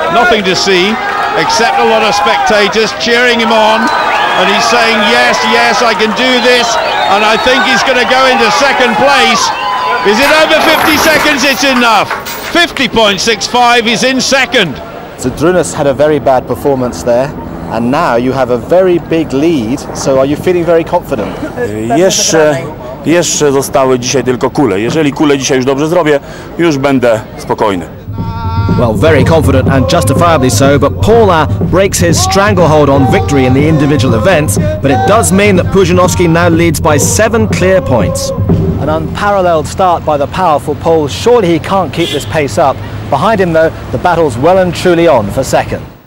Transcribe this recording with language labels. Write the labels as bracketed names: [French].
[English] Nothing to see, except a lot of spectators cheering him on, and he's saying, yes, yes, I can do this, and I think he's going to go into second place. Is it over 50 seconds? It's enough. 50.65 is in second. Zdrunas had a very bad performance there, and now you have a very big lead, so are you feeling very confident? [Polish] Jeszcze zostały dzisiaj tylko kule. Jeżeli kule dzisiaj już dobrze zrobię, już będę spokojny. [English] Well, very confident and justifiably so, but Paula breaks his stranglehold on victory in the individual events, but it does mean that Pujanovski now leads by 7 clear points. An unparalleled start by the powerful Paul. Surely he can't keep this pace up. Behind him, though, the battle's well and truly on for second.